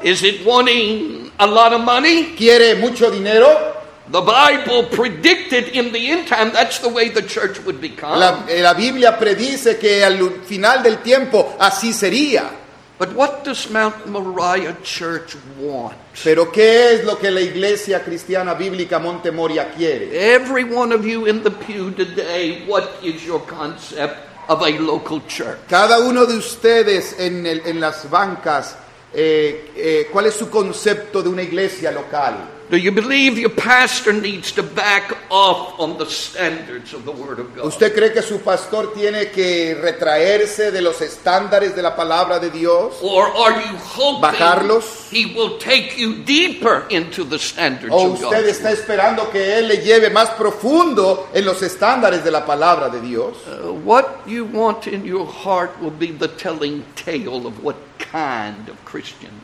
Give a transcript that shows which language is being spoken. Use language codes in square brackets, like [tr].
[en] Is it wanting a lot of money? [es] ¿Quiere mucho dinero? [en] The Bible predicted in the end time that's the way the church would become. [es] La Biblia predice que al final del tiempo así sería. [en] But what does Mount Moriah Church want? [es] Pero qué es lo que la Iglesia Cristiana Bíblica Monte Moria quiere? [en] Every one of you in the pew today, what is your concept of a local church? [es] Cada uno de ustedes en las bancas, ¿cuál es su concepto de una iglesia local? [en] Do you believe your pastor needs to back off on the standards of the Word of God? [es] ¿Usted cree que su pastor tiene que retraerse de los estándares de la palabra de Dios? [en] Or are you hoping [es] bajarlos? [en] He will take you deeper into the standards of God? [es] ¿O usted está esperando que él le lleve más profundo en los estándares de la palabra de Dios? [en] What you want in your heart will be the telling tale of what kind of Christian.